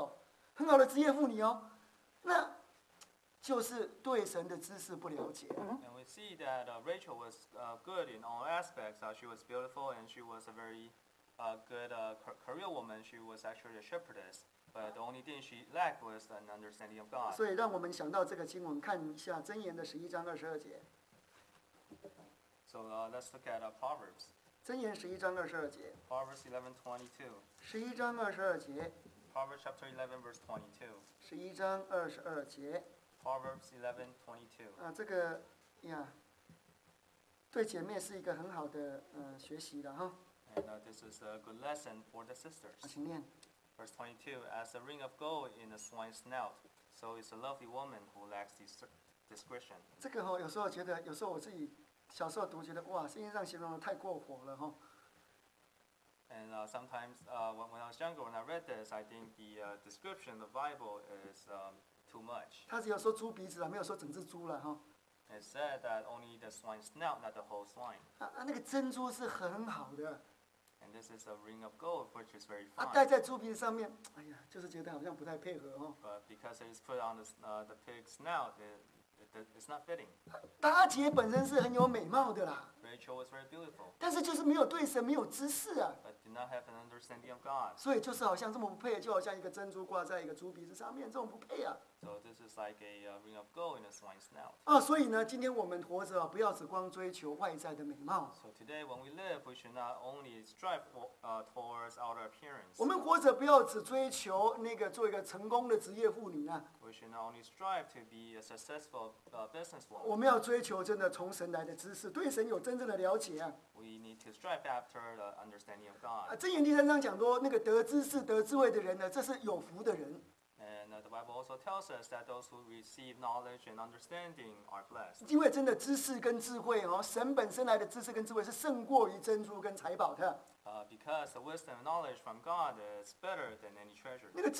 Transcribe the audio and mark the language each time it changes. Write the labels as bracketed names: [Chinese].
[Chinese] 所以我们看有时候觉得真的，拉杰真的是哦，这个条件这么好，又美丽又漂亮，又是一个很好的职业妇女，她是一个放羊的，很好的职业妇女哦，那。就是对神的知识不了解。And [English] we see that Rachel was good in all aspects. She was beautiful, and she was a very good career woman. She was actually a shepherdess. But the only thing she lacked was an understanding of God. [Chinese] 所以让我们想到这个经文，看一下箴言的11章22节。So [English] let's look at Proverbs. [Chinese] 箴言11章22节。Proverbs [English] 11:22. [Chinese] 11章22节。 [English] Proverbs chapter 11 verse 22. [Chinese] 11章22节。 [English] Proverbs 11:22. [Chinese] 这个呀，对姐妹是一个很好的学习的哈。 [English] And this is a good lesson for the sisters. [Chinese] 请念。 [English] Verse 22. As a ring of gold in a swine's snout, so is a lovely woman who lacks discretion. [Chinese] 这个哈，有时候觉得，有时候我自己小时候读，觉得哇，圣经上形容的太过火了哈。 [English] And sometimes when I was younger, when I read this, I think the description of the Bible is too much. [Chinese] 他只有说猪鼻子啦，没有说整只猪啦，哈。 [English] It said that only the swine snout, not the whole swine. [Chinese] 啊，那个珍珠是很好的。 [English] And this is a ring of gold, which is very fine. [Chinese] 戴在猪鼻子上面，哎呀，就是觉得好像不太配合哦。 [English] But because it's put on the pig's snout, it's not fitting. [Chinese] 大姐本身是很有美貌的啦。 [English] Rachel was very beautiful. [Chinese] 但是就是没有对神没有知识啊。 [English] But did not have an understanding of God. [Chinese] 所以就是好像这么不配，就好像一个珍珠挂在一个猪鼻子上面，这种不配啊。 [English] So this is like a ring of gold in a swine's snout. [Chinese] 啊，所以呢，今天我们活着不要只光追求外在的美貌。 [English] So today when we live, we should not only strive towards outer appearance. [Chinese] 我们活着不要只追求那个做一个成功的职业妇女呢。 [English] We should not only strive to be a successful businesswoman. [Chinese] 我们要追求真的从神来的知识，对神有真正的了解啊。 [English] We need to strive after the understanding of God. [Chinese] 啊，箴言第3章讲说，那个得知识、得智慧的人呢，这是有福的人。 [English] And the Bible also tells us that those who receive knowledge and understanding are blessed. [Chinese] 因为真的知识跟智慧哦，神本身来的知识跟智慧是胜过于珍珠跟财宝的。 [English] Because the wisdom and knowledge from God is better than any treasure.